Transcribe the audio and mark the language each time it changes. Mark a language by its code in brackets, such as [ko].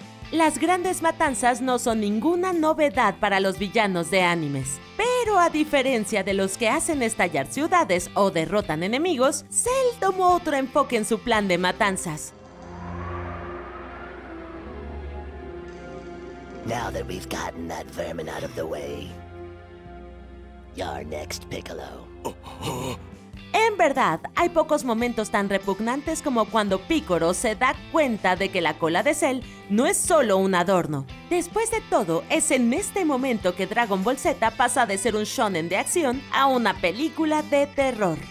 [es] Las grandes matanzas no son ninguna novedad para los villanos de animes. Pero a diferencia de los que hacen estallar ciudades o derrotan enemigos, Cell tomó otro enfoque en su plan de matanzas. [en] Now that we've gotten that vermin out of the way, you're next, Piccolo. [es] En verdad, hay pocos momentos tan repugnantes como cuando Piccolo se da cuenta de que la cola de Cell no es solo un adorno. Después de todo, es en este momento que Dragon Ball Z pasa de ser un shonen de acción a una película de terror.